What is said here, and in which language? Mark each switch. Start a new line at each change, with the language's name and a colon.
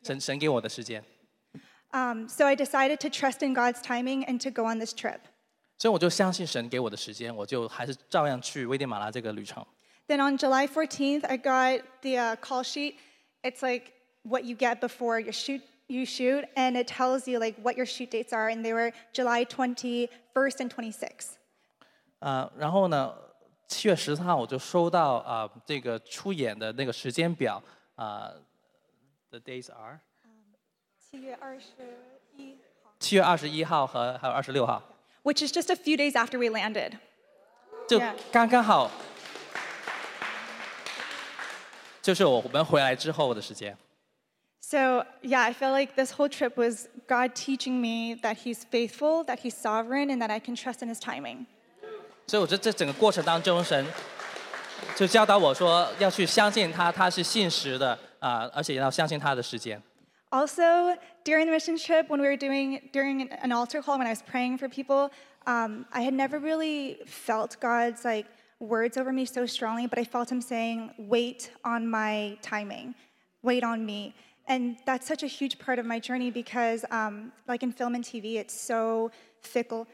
Chinese: 就是一个社交媒体的一个分享，就是感谢神在今年里面给我开路，这个时间，神给我的时间。
English: So I decided to trust in God's timing and to go on this trip.
Chinese: 所以我就相信神给我的时间，我就还是照样去危地马拉这个旅程。
English: Then on July 14th, I got the call sheet. It's like what you get before you shoot, and it tells you like what your shoot dates are, and they were July 21st and 26th.
Chinese: 然后呢，7月10号我就收到这个出演的那个时间表，
English: the days are?
Chinese: 7月21号和26号。
English: Which is just a few days after we landed.
Chinese: 就刚刚好。就是我们回来之后的时间。
English: So yeah, I feel like this whole trip was God teaching me that He's faithful, that He's sovereign, and that I can trust in His timing.
Chinese: 所以我这整个过程当中，神就教导我说要去相信他，他是信实的，而且要相信他的时间。
English: Also, during the mission trip, when we were doing an altar call, when I was praying for people, I had never really felt God's like. Words over me so strongly, but I felt him saying, wait on my timing, wait on me. And that's such a huge part of my journey because like in film and TV, it's so fickle.